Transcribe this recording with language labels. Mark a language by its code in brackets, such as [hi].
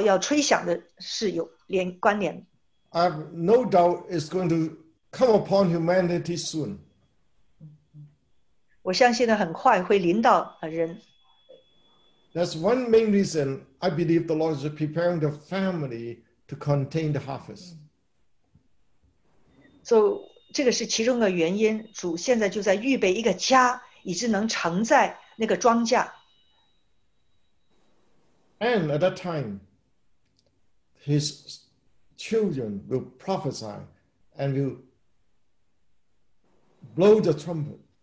[zh] 这个呢也是跟启示录讲到七号要吹响的是有关联。 [en] I have no doubt it's going to come upon humanity soon. [zh] 我相信呢很快会临到人。 [en] That's one main reason I believe the Lord is preparing the family to contain the harvest. So, [zh] 这个是其中的原因, 主现在就在预备一个家, 以致能承载那个庄稼。 [en] And at that time, his children will prophesy and will blow the trumpet.